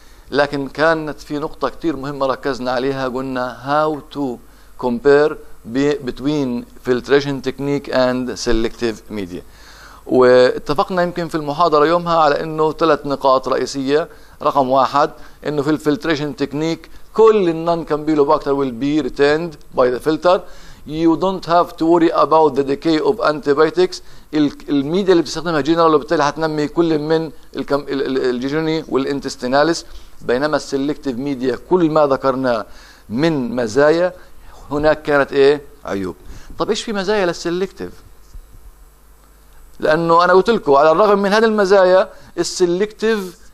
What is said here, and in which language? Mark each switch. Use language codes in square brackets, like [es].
[ar] لكن كانت في نقطة كتير مهمة ركزنا عليها، قلنا [en] how to compare between filtration technique and selective media، [ar] واتفقنا يمكن في المحاضرة يومها على انه ثلاث نقاط رئيسية. رقم واحد انه في الفلتريشن تكنيك كل النون كامبيلوباكتر [en] will be retained by the filter. You don't have to worry about the decay of antibiotics. [ar] الميديا اللي بتستخدمها جنرال وبالتالي هتنمي كل من الجيجوني والانتستينالس، بينما السيلكتيف ميديا كل ما ذكرناه من مزايا هناك كانت ايه عيوب. طب ايش في مزايا للسيلكتيف؟ لانه انا قلت لكم على الرغم من هذه المزايا السيلكتيف